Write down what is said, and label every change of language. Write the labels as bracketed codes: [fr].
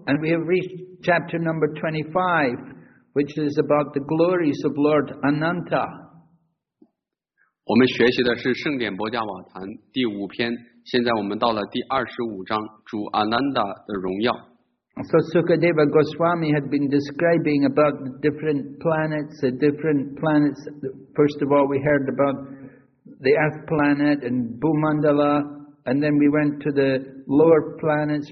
[en] And we have reached chapter number 25, which is about the glories of Lord Ananta. [zh] 我们学习的是圣典伯加瓦坛第五篇, 现在我们到了第25章, 主 Ananda的荣耀。 [en] So Sukadeva Goswami had been describing about the different planets, First of all, we heard about the earth planet and Bhumandala. And then we went to the lower planets.